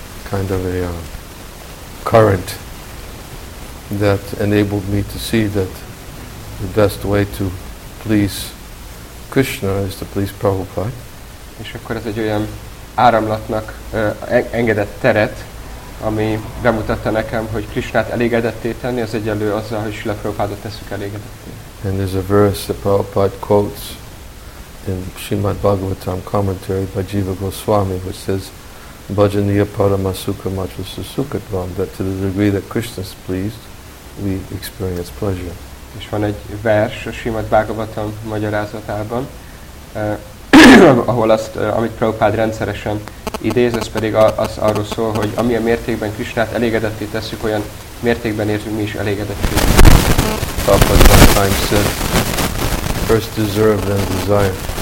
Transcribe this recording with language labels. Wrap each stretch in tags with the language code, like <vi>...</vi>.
<en>Kind of a current that enabled me to see that the best way to please Krishna is to please Prabhupada.</en> <hu>És akkor ez egy olyan áramlatnak engedett teret, ami bemutatta nekem, hogy Krishnát elégedetté tenni, az egyenlő azzal, hogy Srila Prabhupádot tesszük elégedetté.</hu> <en>And there's a verse that Prabhupada quotes in Srimad Bhagavatam commentary by Jiva Goswami, which says,</en> <sa>Bhajaniya paramasukha matrasa sukhatvam,</sa> <en>that to the degree that Krishna is pleased, we experience pleasure.</en> <hu>És van egy vers a Srimad Bhagavatam magyarázatában, ahol azt, amit Prabhupád rendszeresen idéz, ez pedig az arról szól, hogy amilyen mértékben Krishnát elégedetté tesszük, olyan mértékben érzünk mi is elégedettséget.</hu> <en>Prabhupád sometimes said, first deserve, then desire.</en>